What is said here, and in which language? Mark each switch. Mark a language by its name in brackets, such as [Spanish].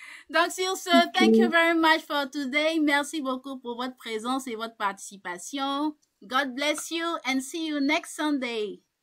[French] Donc sur ce, [English] thank you very much for today. [French] Merci beaucoup pour votre présence et votre participation. [English] God bless you and see you next Sunday.